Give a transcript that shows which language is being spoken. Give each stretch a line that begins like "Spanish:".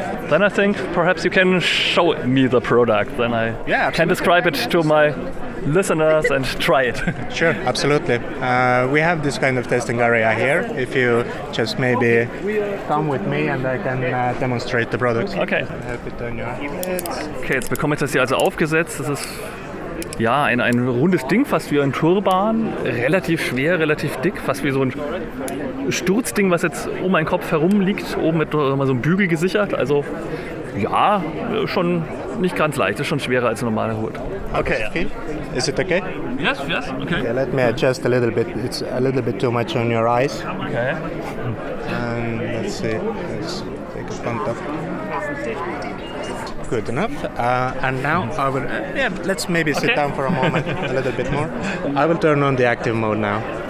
English: Then I think perhaps you can show me the product, then I can describe it to my listeners and try it. Sure, absolutely. We have this kind of testing area here. If you just maybe come with me and I can demonstrate the product. Okay. Help it on your head.
German: Okay, jetzt bekomme ich das hier also aufgesetzt. Das ist ja ein rundes Ding, fast wie ein Turban. Relativ schwer, relativ dick, fast wie so ein Sturzding, was jetzt um meinen Kopf herum liegt. Oben mit so einem Bügel gesichert. Also ja, schon nicht ganz leicht. Ist schon schwerer als ein normaler Hut.
English: Okay. Is it okay? Yes, okay. Yeah, let me adjust a little bit. It's a little bit too much on your eyes. Okay. And let's see. Let's take a punt off. Good enough. And now I will. Let's maybe sit down for a moment, a little bit more. I will turn on the active mode now.